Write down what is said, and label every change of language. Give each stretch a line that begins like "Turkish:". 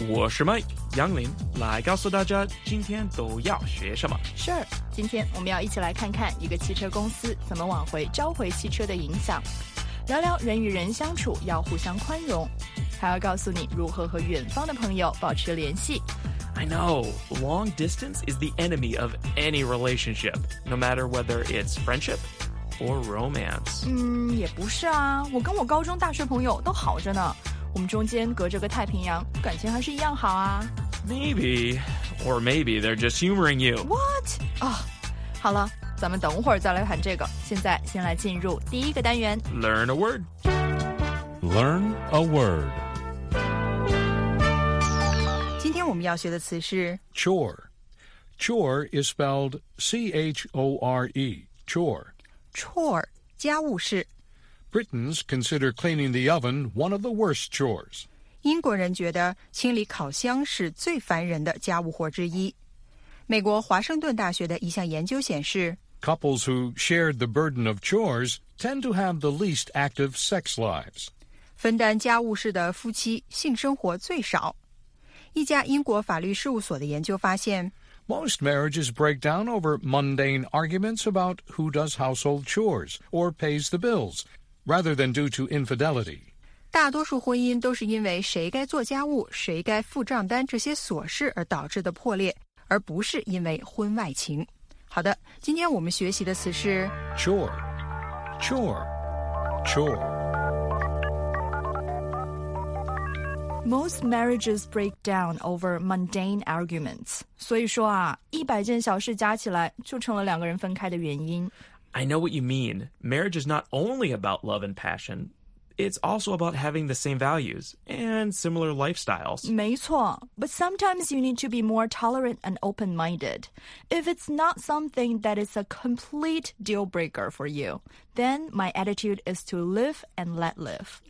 Chinese: 我是麦杨林，来告诉大家今天都要学什么。是，今天我们要一起来看看一个汽车公司怎么挽回召回汽车的影响，聊聊人与人相处要互相宽容，还要告诉你如何和远方的朋友保持联系。
English: I know, long distance is the enemy of any relationship, no matter whether it's friendship or romance.
Chinese: 也不是啊，我跟我高中大学朋友都好着呢，我们中间隔着个太平洋，感情还是一样好啊。
English: Maybe, or maybe they're just humoring you. What?
Chinese: 好了，咱们等会儿再来谈这个，现在先来进入第一个单元。
English: Learn a word. Learn a word.
Chinese: 我们要学的词是
English: chore. Chore is spelled C-H-O-R-E, chore.
Chinese: Chore, 家务事。
English: Britons consider cleaning the oven one of the worst chores.
Chinese: 英国人觉得清理烤箱是最烦人的家务活之一。美国华盛顿大学的一项研究显示
English: couples who shared the burden of chores tend to have the least active sex lives.
Chinese: 分担家务事的夫妻性生活最少。一家英国法律事务所的研究发现
English: Most marriages break down over mundane arguments about who does household chores or pays the bills, rather than due to infidelity.
Chinese: 大多数婚姻都是因为谁该做家务、谁该付账单这些琐事而导致的破裂，而不是因为婚外情。好的，今天我们学习的词是
English: chore, chore, chore. Most marriages break down over mundane arguments.
Chinese: 所以说啊，一百件小事加起来就成了两个人分开的原因。
English: I know what you mean. Marriage is not only about love and passion. It's also about having the same values and similar lifestyles.
Chinese: 没错。
English: But sometimes you need to be more tolerant and open-minded. If it's not something that is a complete deal-breaker for you, then my attitude is to live and let live.